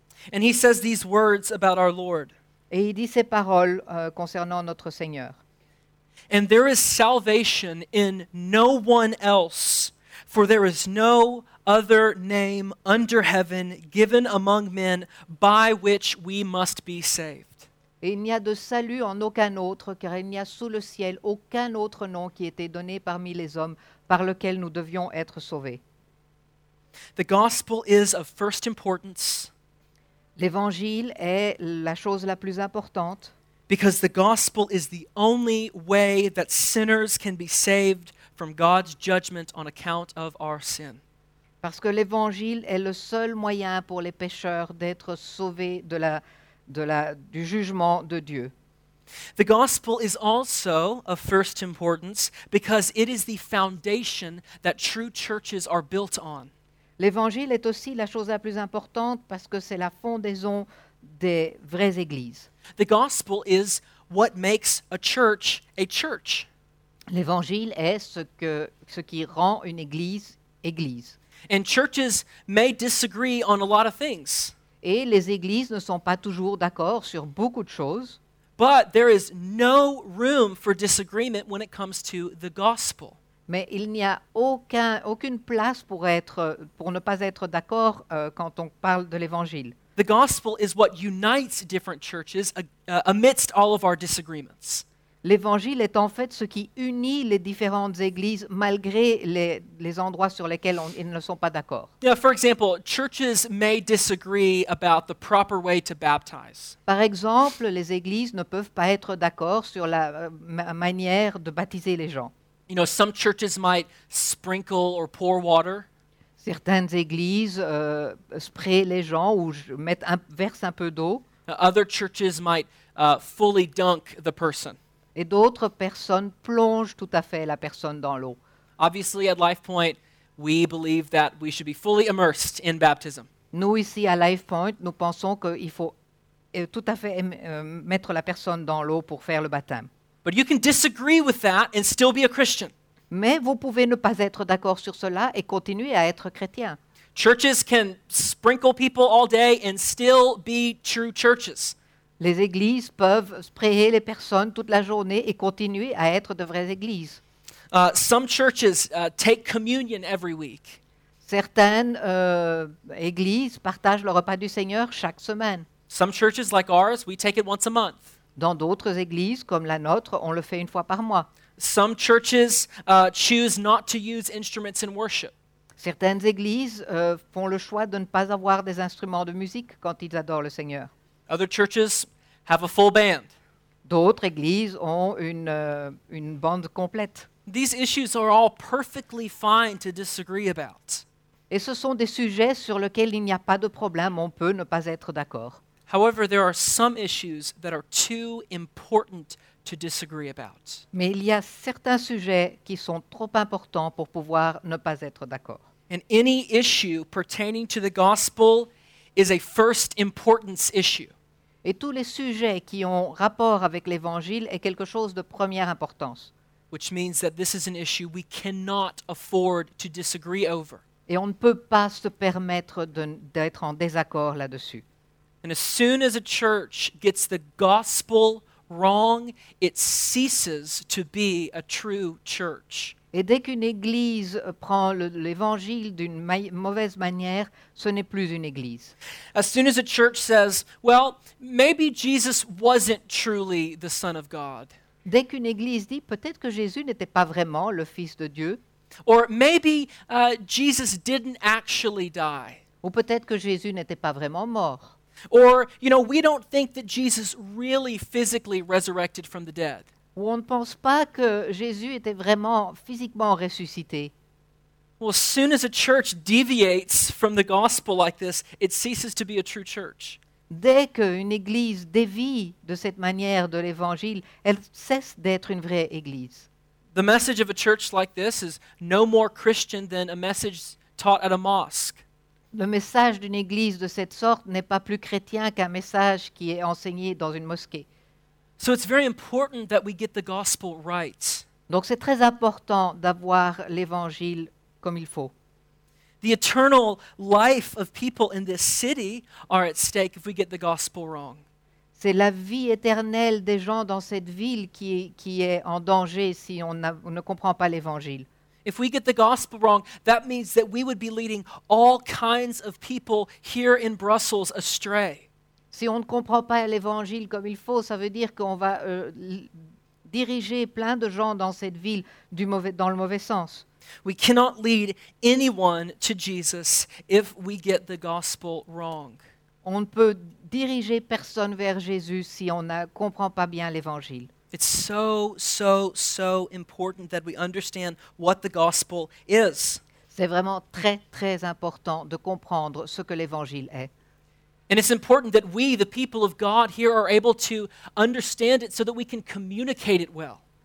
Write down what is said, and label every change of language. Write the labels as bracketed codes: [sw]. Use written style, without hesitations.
[en] And he says these words about our Lord. [fr] Et il dit ces paroles concernant notre Seigneur. [en] And there is salvation in no one else, for there is no other name under heaven given among men by which we must be saved. [fr] Et il n'y a de salut en aucun autre, car il n'y a sous le ciel aucun autre nom qui ait été donné parmi les hommes par lequel nous devions être sauvés. [en] The gospel is of first importance. [fr] L'évangile est la chose la plus importante. [en] Because the gospel is the only way that sinners can be saved from God's judgment on account of our sin. [fr] Parce que l'évangile est le seul moyen pour les pécheurs d'être sauvés du jugement de Dieu. [en] The gospel is also of first importance because it is the foundation that true churches are built on. [fr] L'évangile est aussi la chose la plus importante parce que c'est la fondation des vraies églises. [en] The gospel is what makes a church a church. [fr] L'évangile est ce qui rend une église église. [en] And churches may disagree on a lot of things. [fr] Et les églises ne sont pas toujours d'accord sur beaucoup de choses. [en] But there is no room for disagreement when it comes to the gospel. [fr] Mais il n'y a aucune place pour ne pas être d'accord quand on parle de l'évangile. [en] The gospel is what unites different churches amidst all of our disagreements. [fr] L'évangile est en fait ce qui unit les différentes églises malgré les endroits sur lesquels ils ne sont pas d'accord. [en] Yeah, for example, churches may disagree about the proper way to baptize. [fr] Par exemple, les églises ne peuvent pas être d'accord sur la manière de baptiser les gens. [en] You know, some churches might sprinkle or pour water. [fr] Certaines églises sprayent les gens ou versent un peu d'eau. [en] Other churches might fully dunk the person. [fr] Et d'autres personnes plongent tout à fait la personne dans l'eau. [en] Obviously, at LifePoint, we believe that we should be fully immersed in baptism. [fr] Nous ici à LifePoint, nous pensons qu'il faut tout à fait mettre la personne dans l'eau pour faire le baptême. [en] But you can disagree with that and still be a Christian. [fr] Mais vous pouvez ne pas être d'accord sur cela et continuer à être chrétien. [en] Churches can sprinkle people all day and still be true churches. [fr] Les églises peuvent sprayer les personnes toute la journée et continuer à être de vraies églises. [en] Some churches take communion every week. [fr] Certaines églises partagent le repas du Seigneur chaque semaine. [en] Some churches, like ours, we take it once a month. [fr] Dans d'autres églises, comme la nôtre, on le fait une fois par mois. [en] Some churches choose not to use instruments in worship. [fr] Certaines églises font le choix de ne pas avoir des instruments de musique quand ils adorent le Seigneur. [en] Other churches have a full band. [fr] D'autres églises ont une bande complète. [en] These issues are all perfectly fine to disagree about. [fr] Et ce sont des sujets sur lesquels il n'y a pas de problème, on peut ne pas être d'accord. [en] However, there are some issues that are too important to disagree about. [fr] Mais il y a certains sujets qui sont trop importants pour pouvoir ne pas être d'accord. [en] And any issue pertaining to the gospel is a first importance issue. [fr] Et tous les sujets qui ont rapport avec l'évangile est quelque chose de première importance. [en] Which means that this is an issue we cannot afford to disagree over. [fr] Et on ne peut pas se permettre d'être en désaccord là-dessus. [en] And as soon as a church gets the gospel wrong, it ceases to be a true church. [fr] Et dès qu'une église prend l'évangile d'une mauvaise manière, ce n'est plus une église. [en] As soon as a church says, well, maybe Jesus wasn't truly the Son of God. [fr] Dès qu'une église dit, peut-être que Jésus n'était pas vraiment le Fils de Dieu. [en] Or maybe Jesus didn't actually die. [fr] Ou peut-être que Jésus n'était pas vraiment mort. [en] Or, you know, we don't think that Jesus really physically resurrected from the dead. [fr] Où on ne pense pas que Jésus était vraiment physiquement ressuscité. [en] Well, as soon as a church deviates from the gospel like this, it ceases to be a true church. [fr] Dès qu'une église dévie de cette manière de l'évangile, elle cesse d'être une vraie église. [en] The message of a church like this is no more Christian than a message taught at a mosque. [fr] Le message d'une église de cette sorte n'est pas plus chrétien qu'un message qui est enseigné dans une mosquée. [en] So it's very important that we get the gospel right. [fr] Donc c'est très important d'avoir l'évangile comme il faut. [en] The eternal life of people in this city are at stake if we get the gospel wrong. [fr] C'est la vie éternelle des gens dans cette ville qui est en danger si on ne comprend pas l'évangile. [en] If we get the gospel wrong, that means that we would be leading all kinds of people here in Brussels astray. [fr] Si on ne comprend pas l'évangile comme il faut, ça veut dire qu'on va diriger plein de gens dans cette ville dans le mauvais sens. [en] We cannot lead anyone to Jesus if we get the gospel wrong. [fr] On ne peut diriger personne vers Jésus si on ne comprend pas bien l'évangile. [en] It's so, so, so important that we understand what the gospel is. [fr] C'est vraiment très, très important de comprendre ce que l'évangile est. [en] And it's important that we, the people of God here, are able to understand it so that we can communicate it well.